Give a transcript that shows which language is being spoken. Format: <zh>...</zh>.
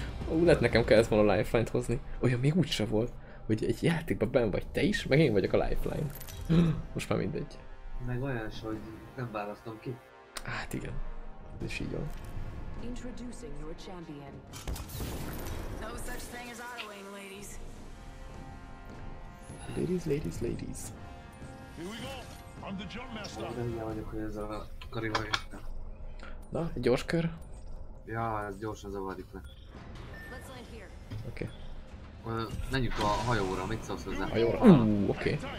<hu>Ó, lehet nekem kellett volna a lifeline-t hozni. Olyan még úgyse volt, hogy egy játékban benn vagy te is, meg én vagyok a lifeline. Most már mindegy. Meg olyan is, hogy nem választom ki. Hát igen. Ez is így van.</hu> <en>Introducing your champion. No such thing as autoing, ladies. Ladies. Here we go. I'm the jump master.</en> <hu>Oh, de hülye vagyok, hogy ez a karival jöttem. Na, egy gyors kör. Ja, ez gyorsan zavarjuk le. Oké.</hu> <en>Okay.</en> <hu>Menjünk a hajóra, mit szólsz hozzá? Hajóra? Oké. Okay.</hu>